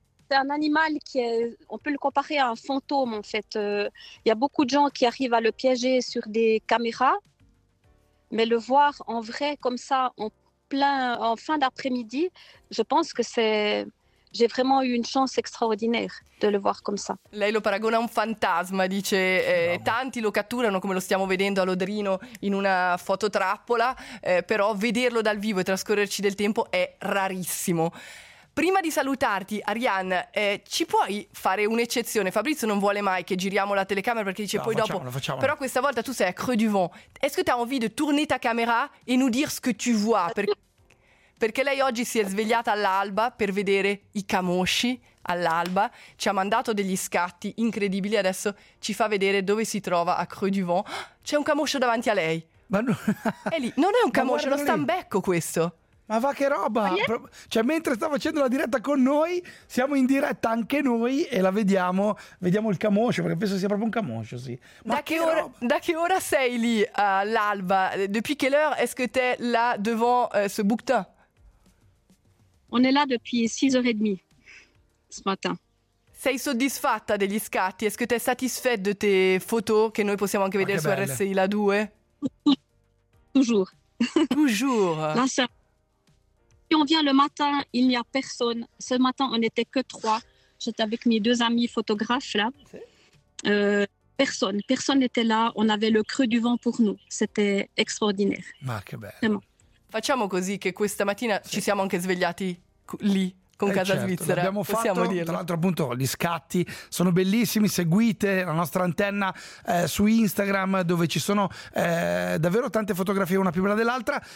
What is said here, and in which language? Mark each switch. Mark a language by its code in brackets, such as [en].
[fr] C'est un animal qui est, on peut le comparer à un fantôme en fait. Il y a beaucoup de gens qui arrivent à le piéger sur des caméras, mais le voir en vrai comme ça, en fin d'après-midi, je pense que c'est... J'ai vraiment eu une chance extraordinaire de le voir comme ça. [it] Lei lo paragona a un fantasma, dice, tanti lo catturano come lo stiamo vedendo a Lodrino in una fototrappola, però vederlo dal vivo e trascorrerci del tempo è rarissimo. Prima di salutarti, Ariane, ci puoi fare un'eccezione? Fabrizio non vuole mai che giriamo la telecamera perché dice facciamolo. Però questa volta tu sei a Creux du Vent. [fr] Est-ce que tu as envie de tourner ta caméra et nous dire ce que tu vois? [it] Perché lei oggi si è svegliata all'alba per vedere i camosci all'alba, ci ha mandato degli scatti incredibili, adesso ci fa vedere dove si trova a Creux du Vent. C'è un camoscio davanti a lei. Ma no. È lì, non è un camoscio, è uno stambecco questo. Ma va che roba! Cioè, mentre sta facendo la diretta con noi, siamo in diretta anche noi e la vediamo, vediamo il camoscio, perché penso sia proprio un camoscio, sì. Ma da che ora sei lì all'alba? [fr] Depuis quelle heure est-ce que t'es là devant ce bouquetin? On est là depuis 6h30 ce matin. [it] Sei soddisfatta degli scatti? [fr] Est-ce que t'es satisfaite de tes photos [it] che noi possiamo anche vedere su RSI La 2? [fr] Toujours. Là, ça... Si on vient le matin, il n'y a personne. Ce matin, on n'était que trois. J'étais avec mes deux amis photographes là. Personne n'était là. On avait le Creux du Vent pour nous. C'était extraordinaire. [it] Ma che bello. [fr] Vraiment. [it] Facciamo così che questa mattina ci siamo anche svegliati lì con Casa certo, Svizzera. Abbiamo fatto, dirlo. Tra l'altro appunto gli scatti sono bellissimi, seguite la nostra antenna su Instagram dove ci sono davvero tante fotografie una più bella dell'altra.